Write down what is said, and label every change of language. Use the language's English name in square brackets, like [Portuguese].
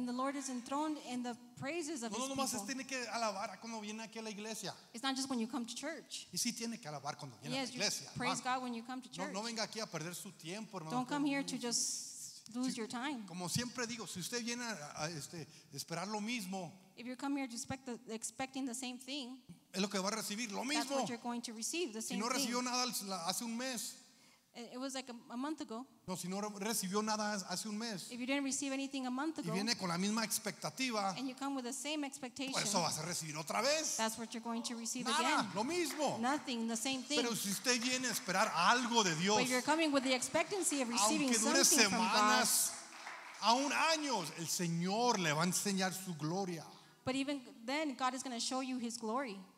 [English] And the Lord is enthroned in the praises of his people. [Spanish] No nomás tiene que alabar cuando viene aquí a la iglesia. [English] It's not just when you come to church. [Spanish] Y sí tiene que alabar cuando viene a la iglesia. [English] Yes, praise God when you come to church. [Spanish] No venga aquí a perder su tiempo, hermano. [English] Don't come here to just lose your time. [Spanish] Como siempre digo, si usted viene a esperar lo mismo, [English] if you come here to expecting the same thing, [Spanish] es lo que va a recibir, lo mismo. [English] That's what you're going to receive, the same thing. [Spanish] Si no recibió nada hace un mes, [English] it was like a month ago. [Spanish] No, si no recibió nada hace un mes, [English] if you didn't receive anything a month ago, [Spanish] y viene con la misma expectativa, [English] and you come with the same expectation, [Spanish] pues eso vas a recibir otra vez. [English] That's what you're going to receive [Spanish] nada, [English] again. [Spanish] Lo mismo. [English] Nothing, the same thing. [Spanish] Pero si usted viene a esperar algo de Dios, [English] but you're coming with the expectancy of receiving [Spanish] aunque dure [English] something [Spanish] semanas, [English] from God, [Spanish] aún años, el Señor le va a enseñar su gloria. [English] But even then, God is going to show you His glory.